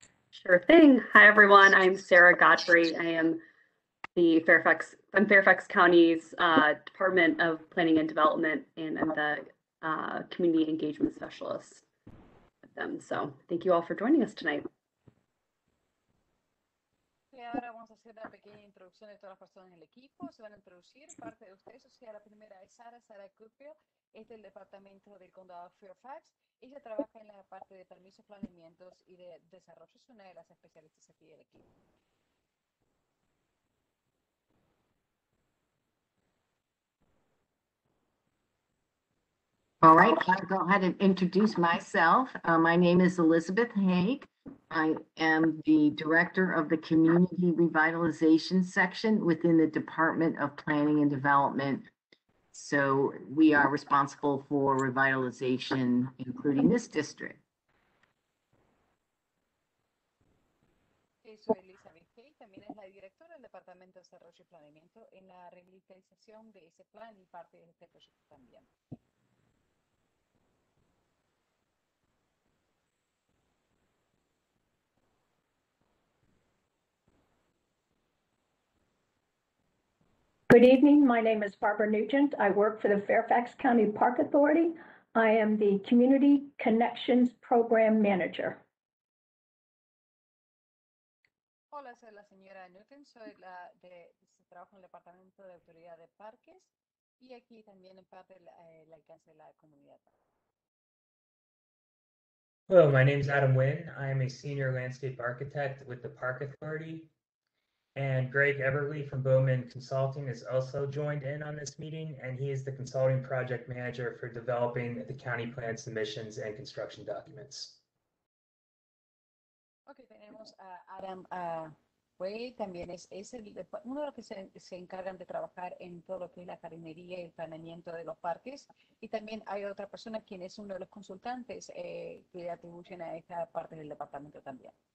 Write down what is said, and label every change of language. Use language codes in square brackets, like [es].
[en] Sure thing. Hi, everyone. I'm Sarah Godfrey. I am I'm Fairfax County's Department of Planning and Development, and I'm the Community Engagement Specialist with them. So, thank you all for joining us tonight. [es] Ahora, vamos a hacer una pequeña introducción de todas las personas en el equipo. Se van a introducir parte de ustedes. O sea, la primera es Sara Cupio. Es del departamento del condado Fairfax. Ella trabaja en la parte de permisos, planeamientos y de desarrollo. Es una de las especialistas aquí del equipo. [en] All right, I'll go ahead and introduce myself. My name is Elizabeth Haig. I am the director of the Community Revitalization Section within the Department of Planning and Development. So we are responsible for revitalization, including this district. [es] Okay, soy Elizabeth Haig, también es la directora del Departamento de Desarrollo y Planeamiento en la revitalización de ese plan y parte de este proyecto también. [en] Good evening. My name is Barbara Nugent. I work for the Fairfax County Park Authority. I am the Community Connections Program Manager. [es] Hola, soy la señora Nugent. Soy la de trabajo en el Departamento de Autoridad de Parques y aquí también en parte el alcance de la comunidad. [en] Hello, my name is Adam Nguyen. I am a Senior Landscape Architect with the Park Authority. And Greg Everly from Bowman Consulting is also joined in on this meeting, and he is the consulting project manager for developing the county plan submissions and construction documents. [es] Okay, tenemos a Adam Way, también es el, uno de los que se encargan de trabajar en todo lo que es la jardinería y el planeamiento de los parques, y también hay otra persona quien es uno de los consultantes que atribuyen a esta parte del departamento también.